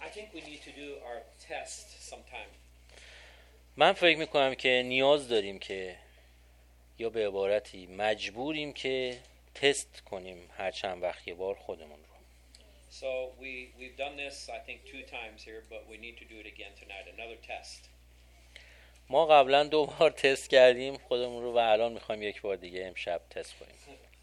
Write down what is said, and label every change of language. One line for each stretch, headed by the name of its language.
English: I think we need to do our test sometime.
Persian: من فکر میکنم که نیاز داریم که یا به عبارتی مجبوریم که تست کنیم هر چند وقت یه بار خودمون رو.
English: So we've done this I think two times here but we need to do it again tonight another test.
Persian: ما قبلا دو بار تست کردیم خودمون رو و الان می‌خوایم یک بار دیگه امشب تست کنیم.